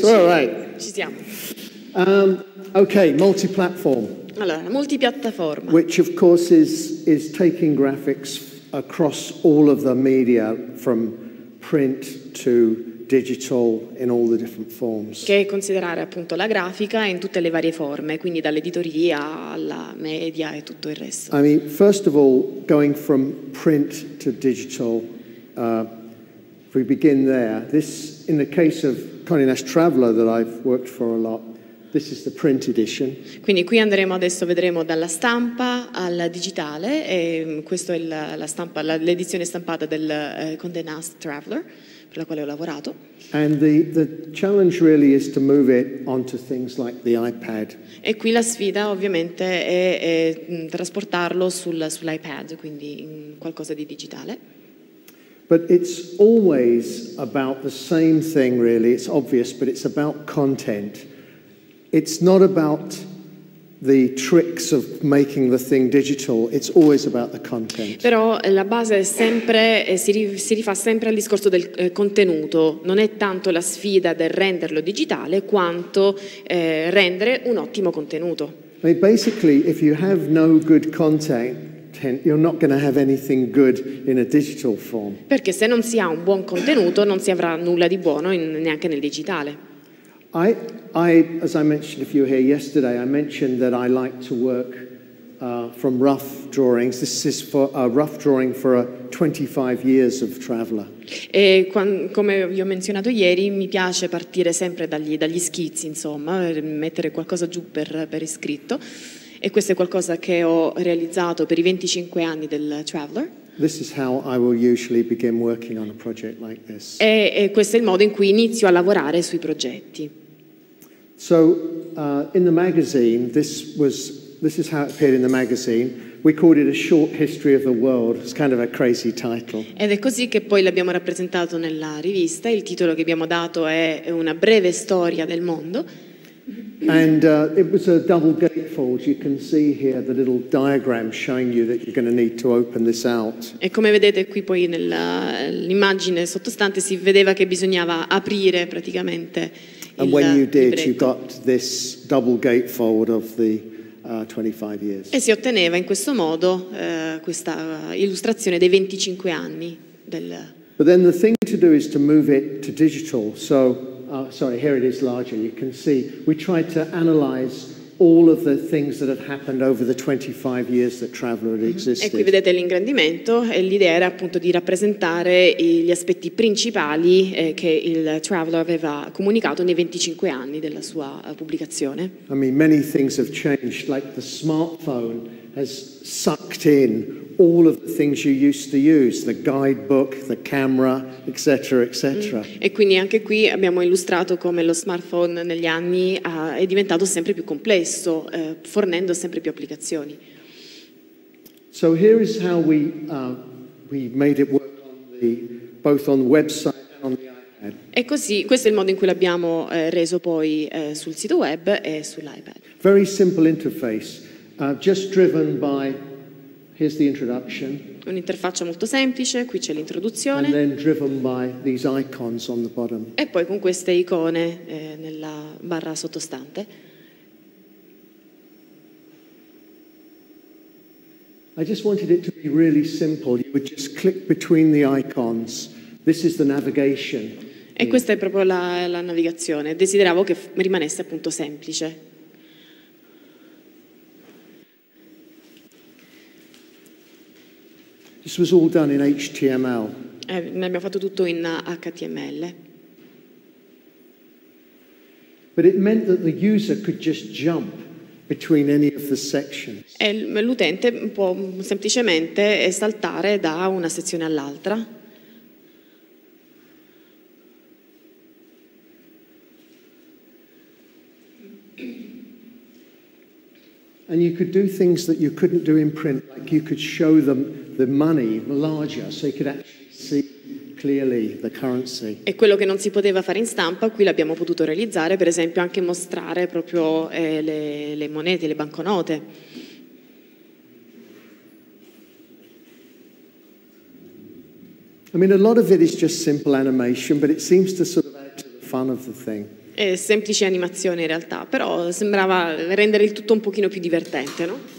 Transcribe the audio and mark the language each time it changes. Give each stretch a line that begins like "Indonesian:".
English: Is. All right.
Italian: Ci siamo.
English: Okay, multi-platform.
Italian: Allora, multi-piattaforma.
English: Which of course is taking graphics across all of the media from print to digital in all the different forms.
Italian: Che è considerare appunto la grafica in tutte le varie forme, quindi dall'editoria alla media e tutto il resto.
English: I mean, first of all, going from print to digital, if we begin there, this, in the case of Condé Nast Traveler that I've worked for a lot, this is the print edition.
Italian: Quindi qui andremo adesso, vedremo dalla stampa al digitale, e questo è la stampa, l'edizione stampata del Condé Nast Traveler. Per la quale ho lavorato.
English: And the challenge really is to move it onto things like the iPad.
Italian: E qui la sfida ovviamente è trasportarlo sull'iPad, quindi in qualcosa di digitale.
English: But it's always about the same thing really, it's obvious, but it's about content. It's not about the tricks of making the thing digital, it's always about the content.
Italian: Però la base è sempre, si rifà sempre al discorso del contenuto, non è tanto la sfida del renderlo digitale quanto rendere un ottimo contenuto.
English: I mean, basically, if you have no good content, you're not going to have anything good in a digital form.
Italian: Perché se non si ha un buon contenuto, non si avrà nulla di buono neanche nel digitale.
English: I, as I mentioned, if you were here yesterday, I mentioned that I like to work from rough drawings. This is for a rough drawing for a 25 years of traveler.
Italian: E come vi ho menzionato ieri, mi piace partire sempre dagli schizzi, insomma, mettere qualcosa giù per iscritto. E questo è qualcosa che ho realizzato per i 25 anni del traveler.
English: This is how I will usually begin working on a project like this.
Italian: E questo è il modo in cui inizio a lavorare sui progetti.
English: So in the magazine, this is how it appeared in the magazine. We called it A Short History of the World. It's kind of a crazy title.
Italian: Ed è così che poi l'abbiamo rappresentato nella rivista. Il titolo che abbiamo dato è Una breve storia del mondo.
English: And it was a double gatefold. You can see here the little diagram showing you that you're going to need to open this out.
Italian: E come vedete qui poi nell'immagine sottostante si vedeva che bisognava aprire praticamente il
English: And when you did,
Italian: libretto.
English: You got this double gatefold of the 25 years.
Italian: E si otteneva in questo modo questa illustrazione dei 25 anni del.
English: But then the thing to do is to move it to digital. So. Sorry, here it is larger. You can see we tried to analyze all of the things that had happened over the 25 years that Traveler had existed.
Italian: E qui vedete l'ingrandimento e l'idea era appunto di rappresentare gli aspetti principali che il Traveler aveva comunicato nei 25 anni della sua pubblicazione.
English: I mean, many things have changed, like the smartphone has sucked in all of the things you used to use, the guidebook, the camera, etc., etc.
Italian: E quindi anche qui abbiamo illustrato come lo smartphone negli anni è diventato sempre più complesso, fornendo sempre più applicazioni.
English: So here is how we made it work on the, both on the website and on the iPad.
Italian: E così, questo è il modo in cui l'abbiamo reso poi sul sito web e sull'iPad.
English: Very simple interface, just driven by, here's the introduction.
Italian: Un'interfaccia molto semplice, qui c'è l'introduzione.
English: And then driven by these icons on the bottom.
Italian: E poi con queste icone nella barra sottostante.
English: I just wanted it to be really simple. You would just click between the icons. This is the navigation.
Italian: E questa è proprio la navigazione. Desideravo che rimanesse appunto semplice.
English: This was all done in HTML.
Italian: Ne abbiamo fatto tutto in HTML.
English: But it meant that the user could just jump between any of the sections.
Italian: E l'utente può semplicemente saltare da una sezione all'altra.
English: And you could do things that you couldn't do in print, like you could show them the money larger, so you could actually see clearly the currency.
Italian: E quello che non si poteva fare in stampa, qui l'abbiamo potuto realizzare, per esempio anche mostrare proprio le monete, le banconote.
English: I mean, a lot of it is just simple animation, but it seems to sort of add to the fun of the thing.
Italian: È semplice animazione in realtà, però sembrava rendere il tutto un pochino più divertente, no?